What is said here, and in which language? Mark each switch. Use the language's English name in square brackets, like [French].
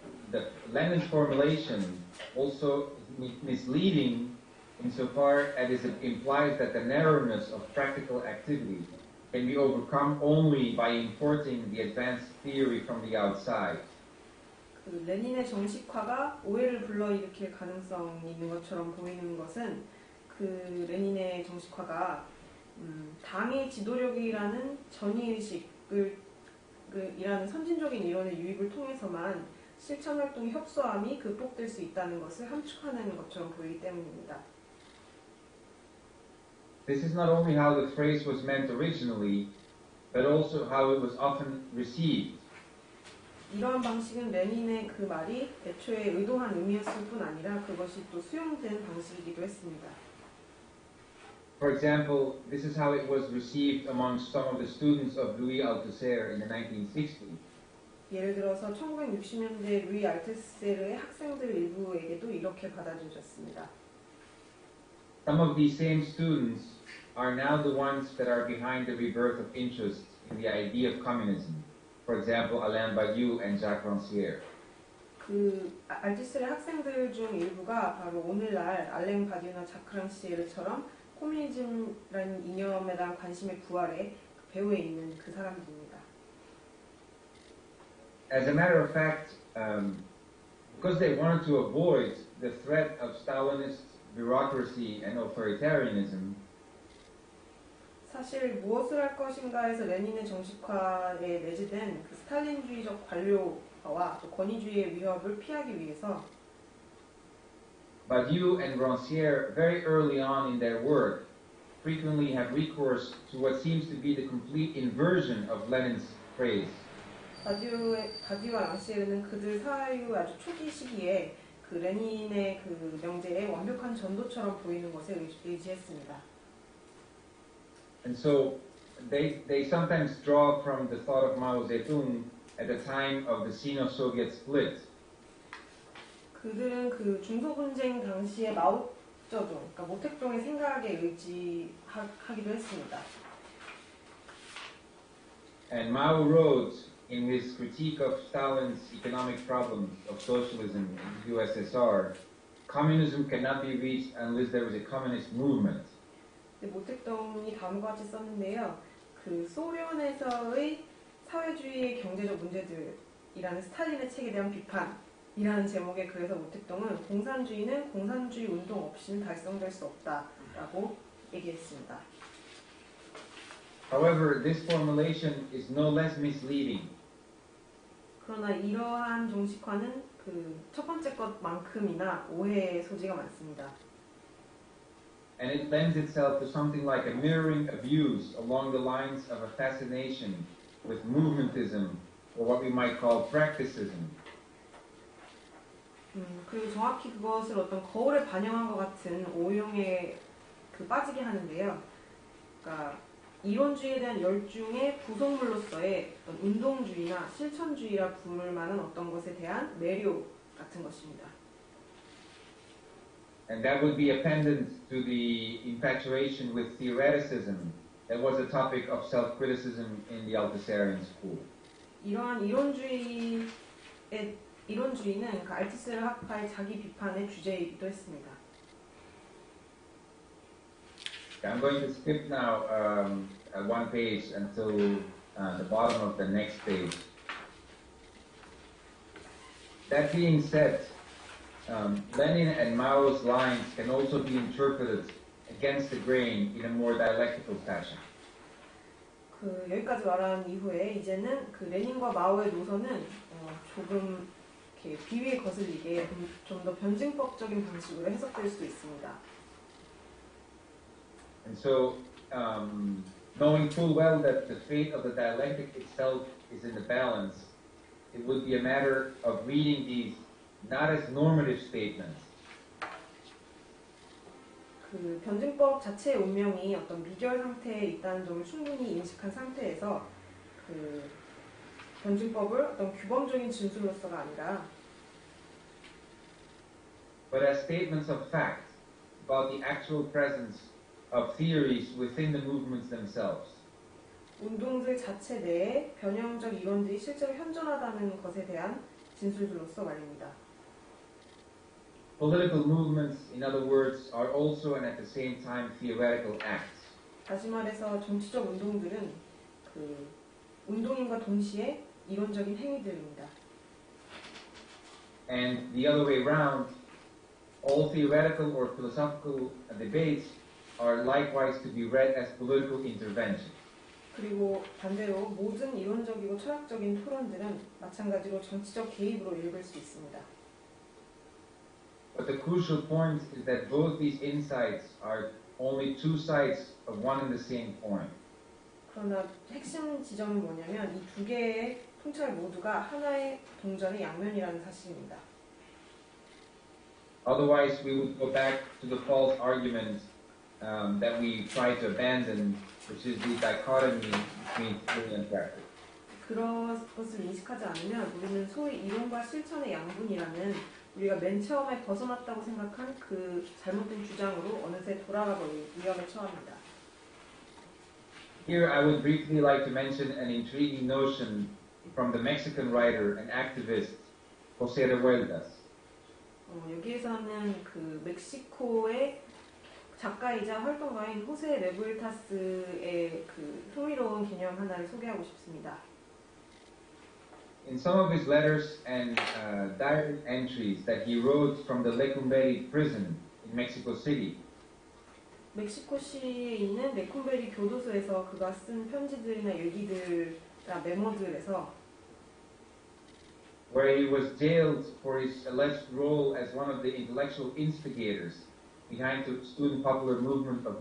[English] The language formulation also misleading insofar as it implies that the narrowness of practical activity can be overcome only by importing the advanced theory from the outside. [Korean] 그 레닌의 정식화가 오해를 불러일으킬 가능성이 있는 것처럼 보이는 것은 그 레닌의 정식화가 당의 지도력이라는 전위의식이라는 선진적인 이론의 유입을 통해서만 실천활동의 협소함이 극복될 수 있다는 것을 함축하는 것처럼 보이기 때문입니다. [English] This is not only how the phrase was meant originally, but also how it was often received. [Korean] 이러한 방식은 레닌의 그 말이 애초에 의도한 의미였을 뿐 아니라 그것이 또 수용된 방식이기도 했습니다. [English] For example, this is how it was received among some of the students of Louis Althusser in the 1960s. [Korean] 예를 들어서 1960년대 루이 알테세르의 학생들 일부에게도 이렇게 받아들여졌습니다. [English] Some of these same students are now the ones that are behind the rebirth of interest in the idea of communism. For example, Alain Badiou and Jacques Rancière. [Korean] 그 알티스트의 학생들 중 일부가 바로 오늘날 알랭 바디우나 자크 랑시에르처럼 코뮤니즘이라는 이념에 대한 관심의 부활에 배후에 있는 그 사람들입니다. [English] As a matter of fact, because they wanted to avoid the threat of Stalinist bureaucracy and authoritarianism. [Korean] 사실 무엇을 할 것인가에서 레닌의 정식화에 내재된 그 스탈린주의적 관료와 또 권위주의의 위협을 피하기 위해서. [English] Badiou and Rancière, very early on in their work, frequently have recourse to what seems to be the complete inversion of Lenin's phrase. [Korean] 바디우와 랑시에르는 그들 사유 아주 초기 시기에. 그 레닌의 그 명제의 완벽한 전도처럼 보이는 것에 의지했습니다. [English] And so they sometimes draw from the thought of Mao Zedong at the time of the Sino-Soviet split. [Korean] 그들은 그 중소 분쟁 당시의 마오쩌둥, 그러니까 모택동의 생각에 의지하기도 했습니다. [English] And Mao wrote in his critique of Stalin's economic problems of socialism in the USSR, communism cannot be reached unless there is a communist movement. [Korean] 모택동이 다음과 같이 썼는데요. 그 소련에서의 사회주의의 경제적 문제들이라는 스탈린의 책에 대한 비판이라는 제목의 글에서 모택동은 공산주의는 공산주의 운동 없이는 달성될 수 없다라고 얘기했습니다. [English] However, this formulation is no less misleading. [Korean] 그러나 이러한 종식화는 그 첫 번째 것만큼이나 오해의 소지가 많습니다. [English] And it lends itself to something like a mirroring abuse along the lines of a fascination with movementism or what we might call practicism. [Korean] 그리고 정확히 그것을 어떤 거울에 반영한 것 같은 오용에 그 빠지게 하는데요. 그러니까 이론주의에 대한 열중의 부속물로서의 어떤 운동주의나 실천주의라 부를 만한 어떤 것에 대한 매료 같은 것입니다. [English] And that would be a pendant to the infatuation with theoreticism that was a topic of self-criticism in the Althusserian school. [Korean] 이러한 이론주의의 이론주의는 그 알티스르 학파의 자기 비판의 주제이기도 했습니다. [English] Okay, I'm going to skip now one page until the bottom of the next page. That being said, Lenin and Mao's lines can also be interpreted against the grain in a more dialectical fashion. [Korean] 그 여기까지 말한 이후에 이제는 그 레닌과 마오의 노선은 조금 이렇게 비위에 거슬리게 좀 더 변증법적인 방식으로 해석될 수 있습니다. [English] And so, knowing full well that the fate of the dialectic itself is in the balance, it would be a matter of reading these not as normative statements. [Korean] 그 변증법 자체의 운명이 어떤 미결 상태에 있다는 점을 충분히 인식한 상태에서 그 변증법을 어떤 규범적인 진술로서가 아니라 [English] but as statements of fact about the actual presence of theories within the movements themselves. [Korean] 운동들 자체 내에 변형적 이론들이 실제로 현존하다는 것에 대한 진술들로서 말입니다. [English] Political movements, in other words, are also and at the same time theoretical acts. [Korean] 다시 말해서 정치적 운동들은 그 운동인과 동시에 이론적인 행위들입니다. [English] And the other way round, all theoretical or philosophical debates are likewise to be read as political intervention. [Korean] 그리고 반대로 모든 이론적이고 철학적인 토론들은 마찬가지로 정치적 개입으로 읽을 수 있습니다. [English] But the crucial point is that both these insights are only two sides of one and the same coin. [Korean] 그러나 핵심 지점은 뭐냐면 이 두 개의 통찰 모두가 하나의 동전의 양면이라는 사실입니다. [English] Otherwise, we would go back to the false argument that we try to abandon, which is the dichotomy between theory and practice. [Korean] 그것을 인식하지 않으면 우리는 소위 이론과 실천의 양분이라는 우리가 맨 처음에 벗어났다고 생각한 그 잘못된 주장으로 어느새 돌아가 버릴 위험에 처합니다. [English] Here, I would briefly like to mention an intriguing notion from the Mexican writer and activist José de Huertas. [Korean] 여기에서는 그 멕시코의 작가이자 활동가인 호세 레부엘타스의 그 흥미로운 개념 하나를 소개하고 싶습니다. [English] In some of his letters and diary entries that he wrote from the Lecumberri prison in Mexico City. [Korean] 멕시코시에 있는 레쿤베리 교도소에서 그가 쓴 편지들이나 일기들이나 메모들에서 [English] where he was jailed for his alleged role as one of the intellectual instigators behind the student popular movement of